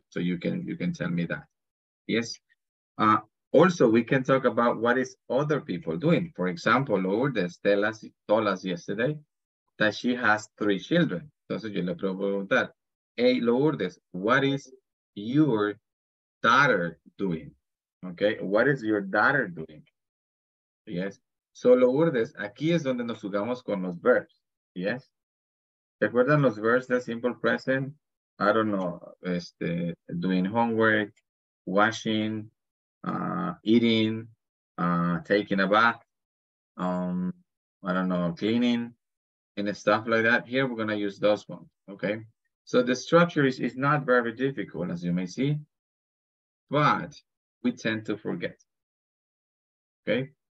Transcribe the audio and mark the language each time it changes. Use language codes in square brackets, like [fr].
[en] So you can tell me that, yes? Also, we can talk about what is other people doing. For example, Lourdes told us yesterday that she has 3 children. [es] Entonces yo le pregunto, [en] hey, Lourdes, what is your daughter doing? Okay, what is your daughter doing? Yes, so Lourdes, [es] aquí es donde nos jugamos con los [en] verbs. [es] Yes, ¿te acuerdan los verbs de simple present? [en] I don't know, doing homework, washing, eating, taking a bath, I don't know, cleaning, and stuff like that. Here we're gonna use those ones, okay? So the structure is not very difficult, as you may see, but we tend to forget, okay?